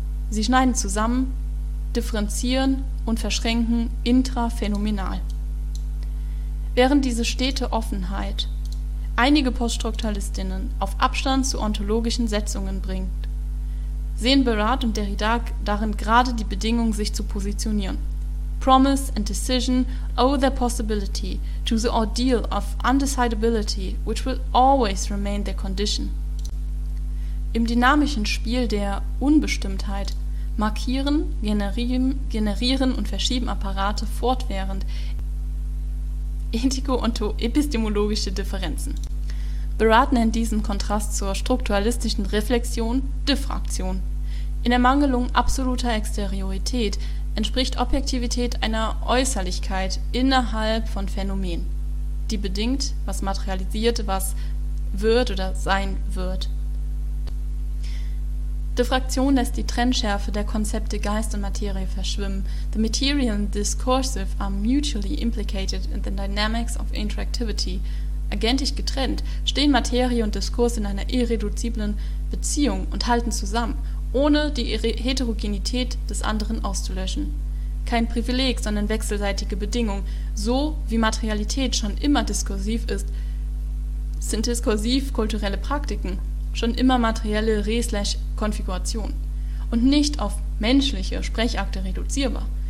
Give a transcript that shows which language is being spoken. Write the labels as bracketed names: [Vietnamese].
[German] Sie schneiden zusammen, differenzieren und verschränken intraphänomenal. Während diese stete Offenheit einige Poststrukturalistinnen auf Abstand zu ontologischen Setzungen bringt, sehen Barad und Derrida darin gerade die Bedingung, sich zu positionieren. [English] Promise and decision owe their possibility to the ordeal of undecidability, which will always remain their condition. [German] Im dynamischen Spiel der Unbestimmtheit markieren, generieren und verschieben Apparate fortwährend ethiko-onto-epistemologische Differenzen. Barad nennt diesen Kontrast zur strukturalistischen Reflexion Diffraktion. In Ermangelung absoluter Exteriorität entspricht Objektivität einer Äußerlichkeit innerhalb von Phänomenen, die bedingt, was materialisiert, was wird oder sein wird. Diffraktion lässt die Trennschärfe der Konzepte Geist und Materie verschwimmen. [English] The material and discursive are mutually implicated in the dynamics of interactivity. [German] Agentisch getrennt stehen Materie und Diskurs in einer irreduziblen Beziehung und halten zusammen, ohne die Heterogenität des anderen auszulöschen. Kein Privileg, sondern wechselseitige Bedingung. So wie Materialität schon immer diskursiv ist, sind diskursiv kulturelle Praktiken schon immer materielle Re/Konfiguration und nicht auf menschliche Sprechakte reduzierbar.